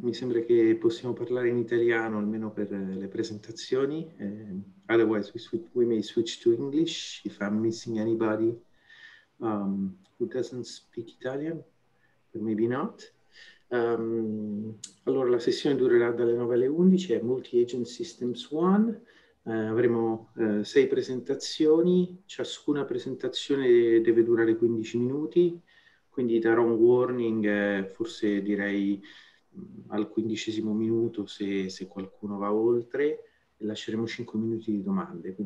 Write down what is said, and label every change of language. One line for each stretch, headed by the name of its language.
Italian: Mi sembra che possiamo parlare in italiano almeno per le presentazioni.
English: Otherwise, we may switch to English if I'm missing anybody who doesn't speak Italian, but maybe not.
Italian: Allora, la sessione durerà dalle 9 alle 11, è Multi-Agent Systems One. Avremo sei presentazioni, ciascuna presentazione deve durare 15 minuti. Quindi darò un warning, forse direi al 15° minuto se qualcuno va oltre, e lasceremo 5 minuti di domande.